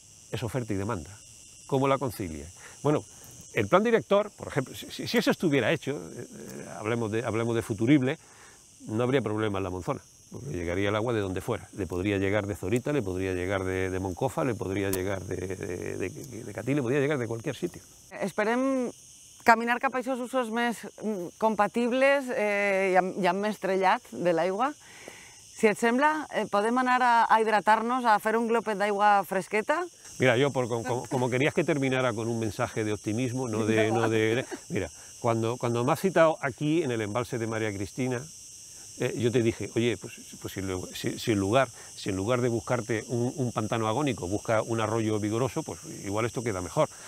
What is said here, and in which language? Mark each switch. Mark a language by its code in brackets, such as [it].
[es] Es oferta y demanda. ¿Cómo la concilia? Bueno, el plan director, por ejemplo, si eso estuviera hecho, hablemos de futurible, no habría problema en la Monzona, porque llegaría el agua de donde fuera. Le podría llegar de Zorita, le podría llegar de Moncofa, le podría llegar de Catí, le podría llegar de cualquier sitio. [ca] Esperem caminar cap a esos usos més compatibles i amb més estrellat de l'aigua. Si et sembla, podem anar a hidratar-nos, a fer un glopet d'aigua fresqueta? [es] Mira, yo, como querías que terminara con un mensaje de optimismo, no de... Mira, cuando me has citado aquí, en el embalse de María Cristina, yo te dije, oye, si en lugar de buscarte un pantano agónico, busca un arroyo vigoroso, pues igual esto queda mejor.